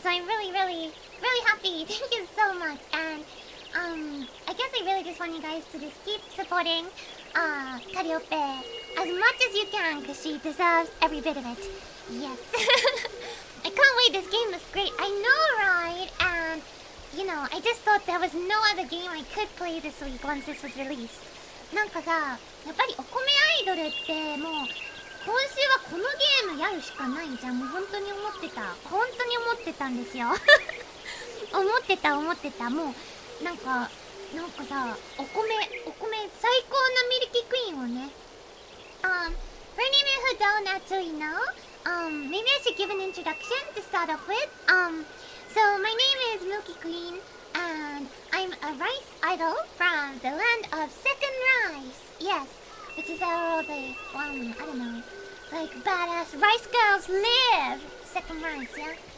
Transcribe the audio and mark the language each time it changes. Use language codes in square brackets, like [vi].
[en] So I'm really, really, really happy. Thank you so much. And I guess I really just want you guys to just keep supporting Kariope as much as you can, because she deserves every bit of it. Yes. I can't wait. This game is great. I know, right? And you know, I just thought there was no other game I could play this week once this was released. [ja] なんかさ、やっぱりお米アイドルってもう今週はこのゲームやるしかないじゃん。もう本当に思ってた。本当に思ってたんですよ。思ってた思ってた。もうなんかさ、お米最高のミルキークイーンをね。 [en] For any of you who don't actually know, maybe I should give an introduction to start off with. So my name is Milky Queen, and I'm a rice idol from the land of Second Rice. Yes, which is where all the, I don't know, like badass rice girls live. Second Rice, yeah?